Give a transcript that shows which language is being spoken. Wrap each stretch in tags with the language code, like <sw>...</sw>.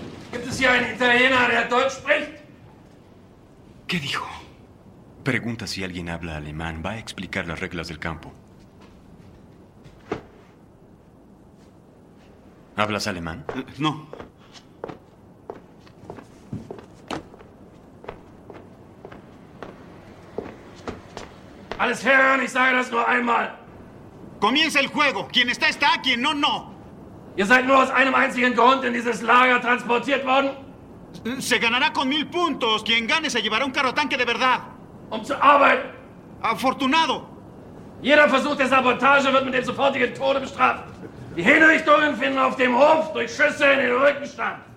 <de>¿Gibt es hier einen Italiener, der Deutsch spricht?</de> <es>¿Qué dijo? Pregunta si alguien habla alemán, va a explicar las reglas del campo. ¿Hablas alemán? No.</es> <de>Alles hören, ich sage das nur einmal.</de> <es>Comienza el juego. Quien está, está. Quien no, no.</es> <de>Ihr seid nur aus einem einzigen Grund in dieses Lager transportiert worden.</de> <es>Se ganará con 1000 puntos. Quien gane se llevará un carro tanque de verdad.</es> <de>Um zu arbeiten.</de> <es>Afortunado.</es> <de>Jeder Versuch der Sabotage wird mit dem sofortigen Tode bestraft. Die Hinrichtungen finden auf dem Hof durch Schüsse in den Rücken statt.</de>